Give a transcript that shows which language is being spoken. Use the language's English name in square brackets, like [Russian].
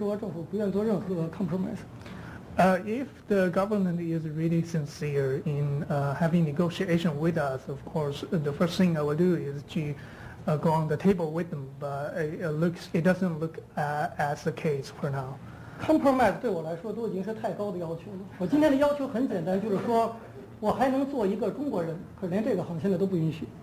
[Chinese] 如果政府真的愿意跟我们谈判的话，那我当然马上就去跟政府谈判。现在问题是说政府不愿做任何 [English] compromise。 If the government is really sincere in having negotiation with us, of course, the first thing I will do is to go on the table with them, but it doesn't look as the case for now. Compromise [Chinese] 对我来说都已经是太高的要求了。我今天的要求很简单，就是说我还能做一个中国人，可连这个好像现在都不允许。